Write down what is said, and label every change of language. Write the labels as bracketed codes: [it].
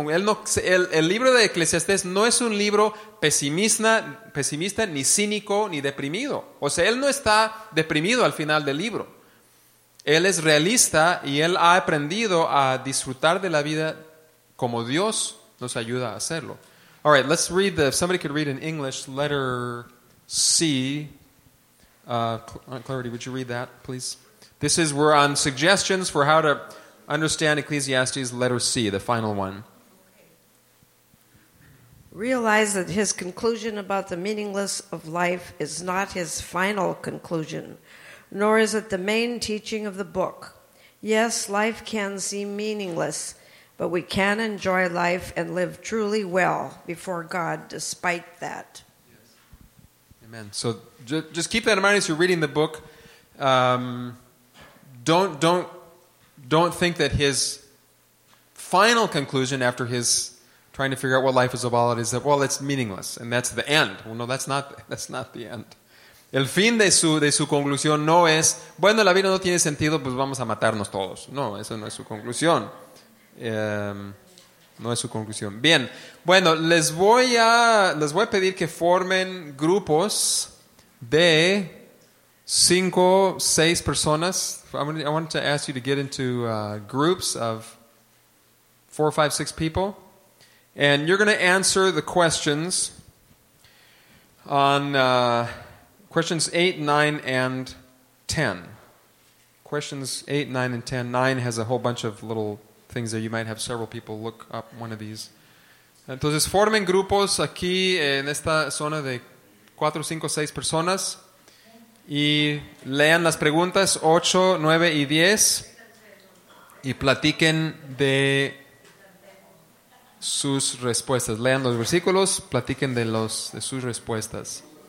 [es] El libro de Eclesiastés no es un libro pesimista, ni cínico, ni deprimido. O sea, él no está deprimido al final del libro. Él es realista y él ha aprendido a disfrutar de la vida como Dios nos ayuda a hacerlo. [en] All right, let's read the... If somebody could read in English, letter C. Aunt Clarity, would you read that, please? This is... We're on suggestions for how to understand Ecclesiastes, letter C, the final one. Realize that his conclusion about the meaninglessness of life is not his final conclusion, nor is it the main teaching of the book. Yes, life can seem meaningless, but we can enjoy life and live truly well before God despite that. Yes. Amen. So just keep that in mind as you're reading the book. Don't think that his final conclusion after his trying to figure out what life is about is that, well, it's meaningless and that's the end. Well, no, that's not the end. [es] El fin de su conclusión no es, bueno, la vida no tiene sentido, pues vamos a matarnos todos. No, eso no es su conclusión. No es su conclusión. Bien, bueno, les voy a pedir que formen grupos de 5-6 personas. [en] I want to ask you to get into groups of 4-5-6 people, and you're going to answer the questions on questions 8, 9, and 10. Questions 8, 9, and 10. 9 has a whole bunch of little things that you might have several people look up one of these. [es] Entonces, formen grupos aquí en esta zona de 4, 5, 6 personas y lean las preguntas 8, 9 y 10 y platiquen de sus respuestas. Lean los versículos, platiquen de los de sus respuestas.